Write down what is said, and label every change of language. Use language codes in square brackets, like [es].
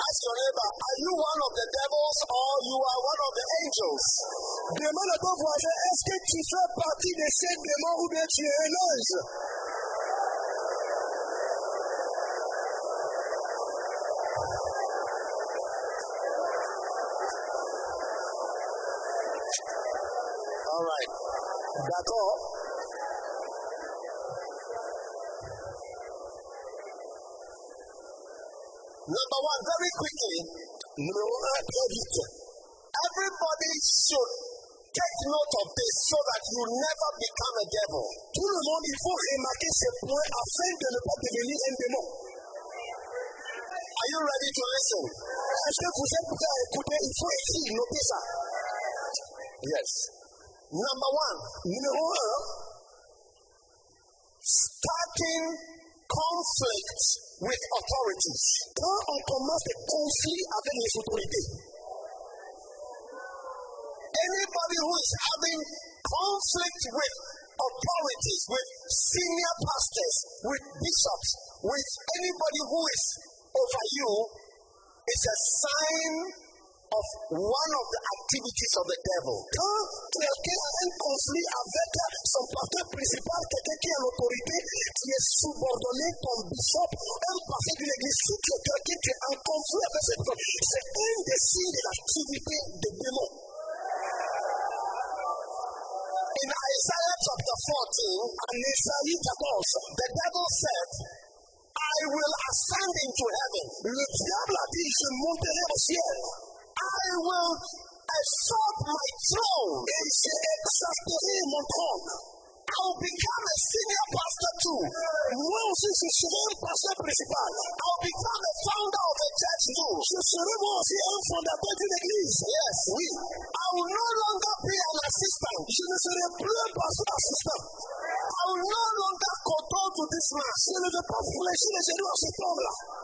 [en] Are you one of the devils or you are one of the angels? [fr] Demande à ton voisin, est-ce que tu fais partie de ces démons ou bien tu es un ange? [en] All right. [fr] D'accord. [en] Number one, very quickly. Everybody should take note of this so that you never become a devil. [fr] Tout le monde, il faut remarquer ce point afin de ne pas devenir un démon. [en] Are you ready to listen? [fr] Est-ce que vous êtes prêt à écouter? Il faut ici noter ça. [en] Yes. Number one. [fr] Numéro un. [en] Starting conflict with authorities. [fr] Quand on commence des conflits avec les autorités. [en] Anybody who is having conflict with authorities, with senior pastors, with bishops, with anybody who is over you, is a sign of one of the activities of the devil. [fr] Quand quelqu'un a un conflit avec son pasteur principal, quelqu'un qui a l'autorité, qui est subordonné, ton bishop, un pasteur de l'église, si tu es quelqu'un qui est en conflit avec cette personne, c'est un des signes de l'activité des démons. [en] In Isaiah chapter 14, [fr] en Isaïe 14, [en] the devil said, I will ascend into heaven. [fr] Le diable a dit, je monterai au ciel. [en] I will exalt my throne. [fr] Je exalterai mon trône. [en] I will become a senior pastor too. [fr] Moi aussi, je serai un pasteur principal. [en] I will become a founder of a church too. [fr] Je serai moi aussi un fondateur d'une église. [en] Yes. [fr] Oui. [en] I will no longer be an assistant. [fr] Je ne serai plus un pasteur assistant. [en] I will no longer kowtow to this man. [fr] Je ne vais pas fléchir les genoux à cet homme-là.